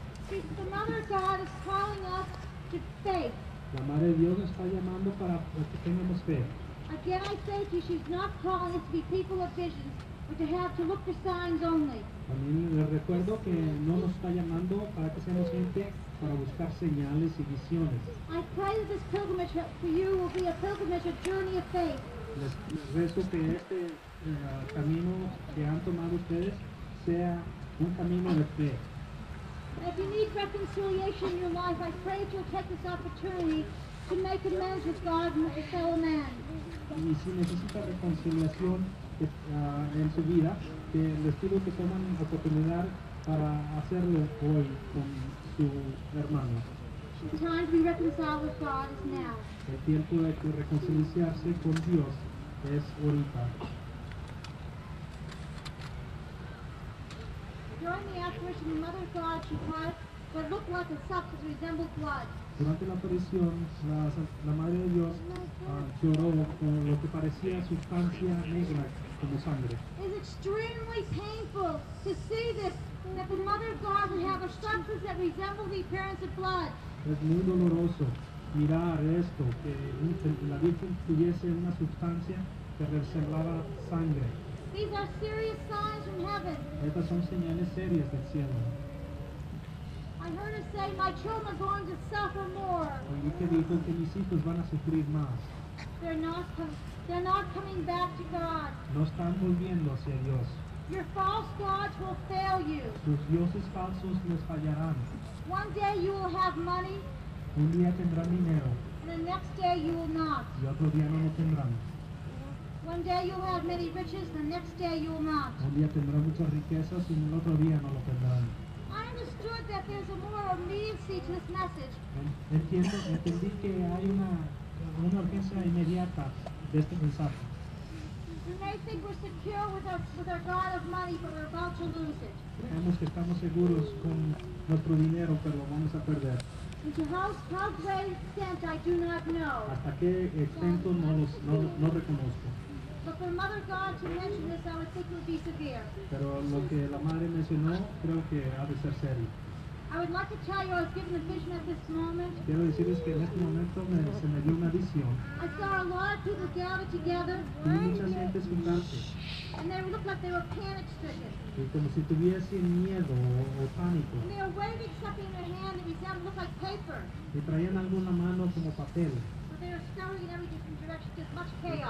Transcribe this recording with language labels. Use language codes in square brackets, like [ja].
[en] See, the Mother of God is calling us to faith. [es] La Madre de Dios está llamando para que tengamos fe. [en] Again, I say to you, she's not calling us to be people of visions, but to have to look for signs only. [es] También les recuerdo que no nos está llamando para que seamos gente para buscar señales y visiones. [en] I pray that this pilgrimage for you will be a pilgrimage, a journey of faith. [es] Les rezo que este camino que han tomado ustedes sea un camino de fe. [en] If you need reconciliation in your life, I pray that you'll take this opportunity to make amends with God and with your fellow man. [es] Y si necesita reconciliación en su vida, que les pido que tomen la oportunidad para hacerlo hoy con su hermano. [en] The time to be reconciled with God is now. [es] El tiempo de reconciliarse con Dios es ahorita. [en] During the apparition, the Mother of God, she had what looked like a substance resembled blood. [es] Durante la aparición, la Madre de Dios lloró con lo que parecía sustancia negra como sangre. [en] It's extremely painful to see this, that the Mother of God would have a substance that resembled the appearance of blood. [es] Es muy doloroso mirar esto, que la Virgen tuviese una sustancia que resemblaba sangre. [en] These are serious signs from heaven. [es] Estas son señales serias del cielo. [en] I heard her say, my children are going to suffer more. [es] Oye, que dijo que mis hijos van a sufrir más. [en] They're not coming back to God. [es] No están volviendo hacia Dios. [en] Your false gods will fail you. [es] Sus dioses falsos les fallarán. [en] One day you will have money. [es] Un día tendrán dinero. [en] And the next day you will not. [es] Y otro día no lo tendrán. [en] One day you'll have many riches, the next day you will not. [es] Un día tendrá muchas riquezas y el otro día no lo tendrán. [en] I understood that there's a more immediacy to this message. [es] Entendí que hay una urgencia inmediata de este mensaje. [en] You may think we're secure with our God of money, but we're about to lose it. [es] Creemos que estamos seguros con nuestro dinero, pero lo vamos a perder. [en] How great extent I do not know. [es] Hasta qué extento no reconozco. [en] But for Mother God to mention this, I would think it would be severe. [es] Pero lo que la madre mencionó, creo que ha de ser serio. [en] I would like to tell you I was given a vision at this moment. [es] Quiero decirles que en este momento se me dio una visión. [en] I saw a lot of people gathered together. [es] Y mucha gente juntarse. [en] And they looked like they were panic-stricken. [es] Y como si tuviesen miedo o pánico. [en] And they were waving something in their hand that resembled looked like paper. [es] Y traían algo en la mano como papel. [en] They were scurrying in every different direction, just much chaos.